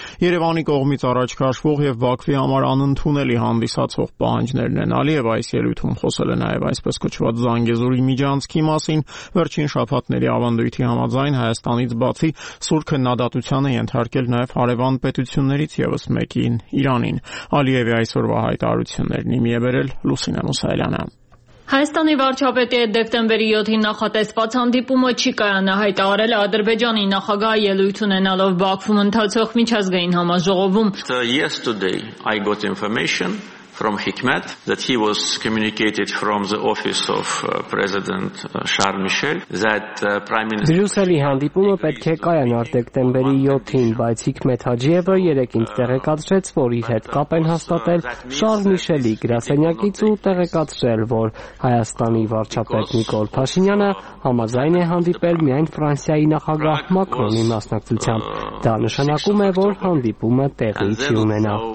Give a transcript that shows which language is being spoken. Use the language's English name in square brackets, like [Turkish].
[Armenian] Երևանի կողմից առաջ քաշվող և Բաքվի համար անընդունելի հանդիսացող պահանջներն են։ Ալիևը այս ելույթում խոսել է նաև այսպես կոչված Զանգեզուրի միջանցքի մասին։ Վերջին շաբաթների ավանդույթի համաձայն Հայաստանից բացի սուր քննադատության է ենթարկել նաև հարևան պետություններից ևս մեկին՝ Իրանին։ Ալիևի այսօրվա հայտարարություններն իմ եբերել Լուսինե Մուսայելյանը։ Հայաստանի վարչապետի հետ դեկտեմբերի 7-ին նախատեսված հանդիպումը չի կայանա, հայտարարել է Ադրբեջանի նախագահը ելույթ ունենալով Բաքվում ընթացող միջազգային համաժողովում։ [English] Yesterday I got information from Hikmet that he was communicated from the office of President Charles Michel that Prime Minister [Armenian] Բրյուսելի հանդիպումը պետք է կայանար դեկտեմբերի 7-ին, բայց Հիքմետ Հաջիևը երեկինս տեղեկացրեց, որ իր հետ կապ են հաստատել Շարլ Միշելի գրասենյակից ու տեղեկացրել, որ Հայաստանի վարչապետ Նիկոլ Փաշինյանը համաձայն է հանդիպել միայն Ֆրանսիայի նախագահ Մակրոնի մասնակցությամբ։ Դա նշանակում է, որ հանդիպումը տեղի չի ունենա։